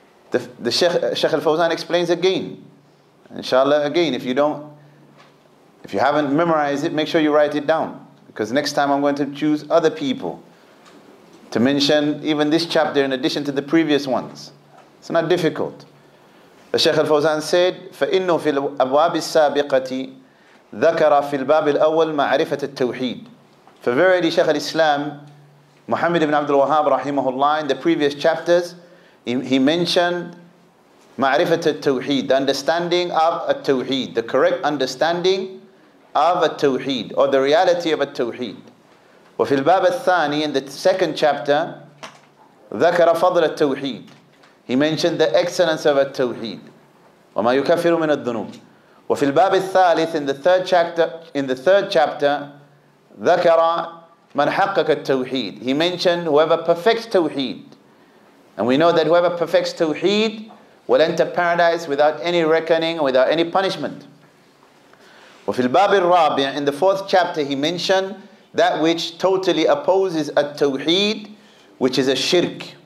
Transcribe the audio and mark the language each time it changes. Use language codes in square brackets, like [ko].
[en] The Shaykh al-Fawzan explains again. Inshallah, again, if you haven't memorized it, make sure you write it down. Because next time I'm going to choose other people. to mention even this chapter in addition to the previous ones. It's not difficult. The Shaykh al-Fawzan said, [ar] فَإِنُّ فِي الْأَبْوَابِ السَّابِقَةِ ذَكَرَ فِي الْبَابِ الْأَوَّلِ مَعْرِفَةَ التَّوْحِيدِ. [en] For verily, Shaykh al-Islam, Muhammad ibn Abdul Wahhab, rahimahullah, in the previous chapters, he mentioned ma'rifat al-tawheed, the understanding of al-tawheed, the correct understanding of al-tawheed, or the reality of al-tawheed. [ar] وَفِي الْبَابَ الثَّانِي, [en] in the second chapter, [ar] ذَكَرَ فَضْلَ التَّوْحِيدِ. [en] He mentioned the excellence of at-tawheed. [ar] وَمَا يُكَفِّرُ مِنَ الذُّنُوبِ. وَفِي الْبَابِ الثَّالِثِ, [en] in the third chapter, [ar] ذَكَرَ مَنْ حَقَّكَ التَّوْحِيدِ. [en] He mentioned whoever perfects tawheed. And we know that whoever perfects tawheed will enter paradise without any reckoning, without any punishment. [ar] وَفِي الْبَابِ الرَّابِعِ, [en] in the fourth chapter, he mentioned that which totally opposes at-tawheed, which is a shirk.